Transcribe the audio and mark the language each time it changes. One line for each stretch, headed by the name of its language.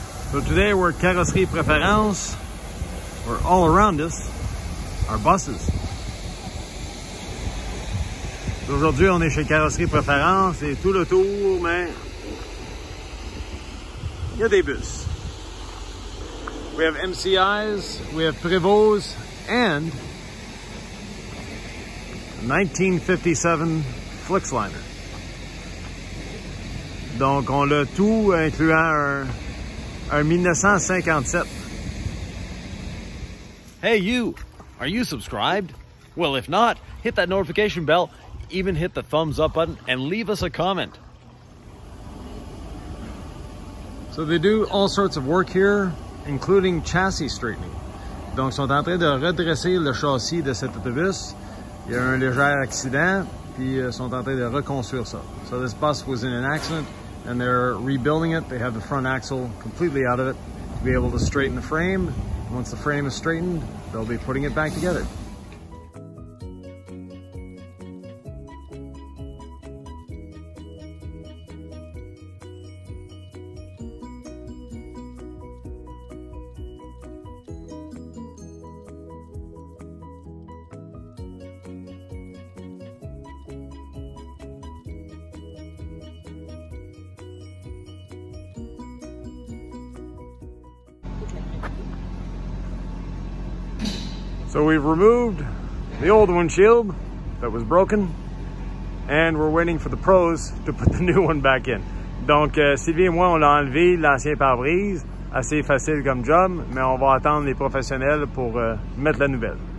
English: Today we're at Carrosserie Preference, where all around us are buses.
French: Aujourd'hui, on est chez Carrosserie Preference et tout le tour, mais il y a des bus.
English: We have MCIs, we have Prevos, and a 1957 Flixliner.
French: Donc, on l'a tout, incluant un 1957.
English: Hey you, are you subscribed? Well, if not, hit that notification bell, even hit the thumbs up button and leave us a comment. So they do all sorts of work here, including chassis straightening.
French: Donc, sont en train de redresser le châssis de cet autobus. Il y a un léger accident, puis ils sont en train de reconstruire ça.
English: So this bus was in an accident, and they're rebuilding it. They have the front axle completely out of it to be able to straighten the frame. Once the frame is straightened, they'll be putting it back together. So we've removed the old windshield that was broken, and we're waiting for the pros to put the new one back in.
French: Donc, Sylvie et moi, on a enlevé l'ancien pare-brise, assez facile comme job, mais on va attendre les professionnels pour mettre la nouvelle.